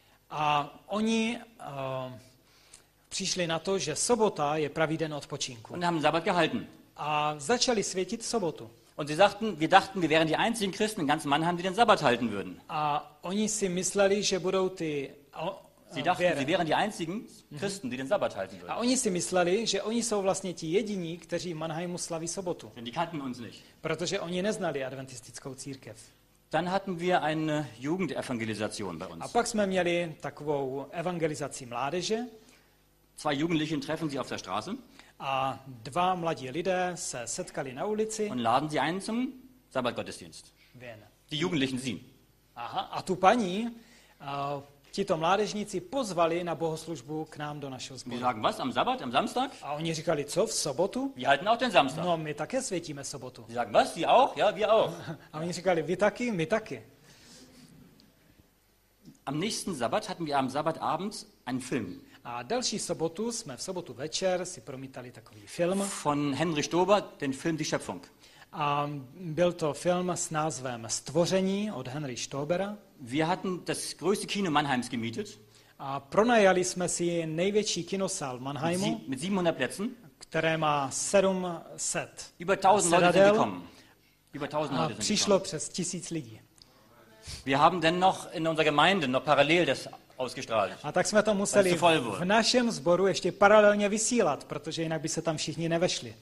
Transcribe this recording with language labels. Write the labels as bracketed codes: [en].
[cs] A oni přišli na to, že sobota je pravý den odpočinku. [de] Und haben Sabbat gehalten. [cs] A začali světit sobotu. [de] Und sie sagten, wir dachten, wir wären die einzigen Christen in ganzem Mannheim, die den Sabbat halten würden. [cs] A oni si mysleli, že budou ty [de] Sie dachten, sie wären die einzigen Christen, die den Sabbat halten würden. [cs] A oni si mysleli, že oni jsou vlastně ti jediní, kteří v Mannheimu slaví sobotu. [de] Denn die kannten uns nicht. [cs] Protože oni neznali adventistickou církev. [de] Dann hatten wir eine Jugendevangelisation bei uns. [cs] A pak jsme měli takovou evangelizaci mládeže. [de] Zwei Jugendlichen treffen sie auf der Straße. [cs] A dva mladí lidé se setkali na ulici. [de] Und laden sie ein zum Sabbatgottesdienst. Wen? Die Jugendlichen sie. [cs] Aha, a tu paní, tito mládežníci pozvali na bohoslužbu k nám do našeho sboru. [de] Wir sagen, was, am Sabbat, am Samstag? [cs] A oni říkali, co, v sobotu? [de] Wir halten auch den Samstag. [cs] No, my také světíme sobotu. [de] Sie sagen, was, sie auch? Ja, wir auch. [cs] A oni říkali, vy taky, my taky. [de] Am nächsten Sabbat hatten wir am Sabbatabend einen Film. [cs] A další sobotu jsme v sobotu večer si promítali takový film. [de] Von Henry Stober, den Film Die Schöpfung. [cs] A byl to film s názvem Stvoření od Henry Stobera. [de] Wir hatten das größte Kino Mannheims gemietet. [cs] A pronajali jsme si největší kinosál Mannheimu. [de] Mit 700 Plätzen. [cs] Které má 700 [de] Über 1000 Leute sind gekommen. Über 1000 Leute sind [cs] přišlo přes 1000 lidí. [de] Wir haben denn noch in unserer Gemeinde noch parallel das ausgestrahlt. [cs] A tak jsme to museli v našem sboru ještě paralelně vysílat, protože jinak by se tam všichni nevešli.